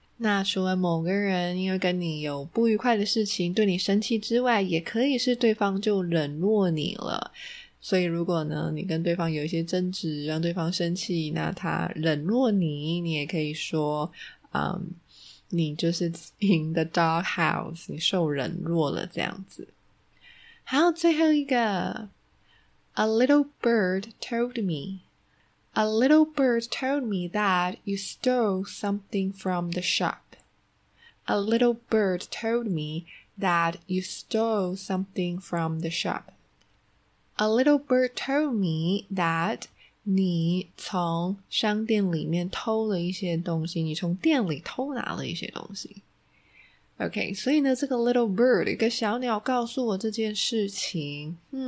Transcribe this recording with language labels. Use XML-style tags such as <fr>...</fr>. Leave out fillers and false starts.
<zh>那除了某个人因为跟你有不愉快的事情对你生气之外，也可以是对方就冷落你了，所以如果呢你跟对方有一些争执让对方生气，那他冷落你，你也可以说你就是 in the doghouse， 你受冷落了这样子。好，最后一个</zh> <en>A little bird told me. A little bird told me that you stole something from the shop. A little bird told me that you stole something from the shop. A little bird told me that</en> <zh>你从商店里面偷了一些东西，你从店里偷拿了一些东西。 OK， 所以呢，这个 little bird 一个小鸟告诉我这件事情。</zh>